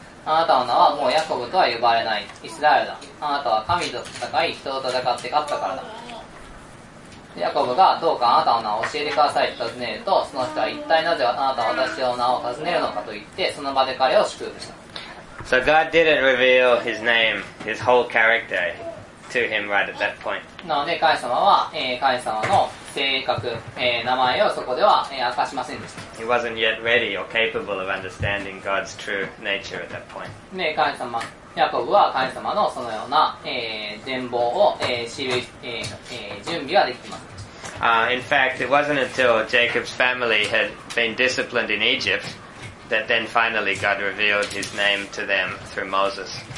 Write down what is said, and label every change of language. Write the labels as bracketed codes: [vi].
[ja] あなたの名はもうヤコブとは呼ばれない。イスラエルだ。あなたは神と戦い、人と戦って勝ったからだ。ヤコブがどうかあなたの名を教えてくださいと尋ねると、その人は一体なぜあなたは私の名を尋ねるのかと言って、その場で彼を祝福した。 [en] So God didn't reveal his name, his whole character to him right at that point. [ja] なので神様は、神様の性格、名前をそこでは、明かしませんでした。 [en] He wasn't yet ready or capable of understanding God's true nature at that point. [ja] ね、神様、ヤコブは神様のそのような、全貌を、知る、準備はできていません。 [en] In fact, it wasn't until Jacob's family had been disciplined in Egypt that then finally God revealed his name to them through Moses.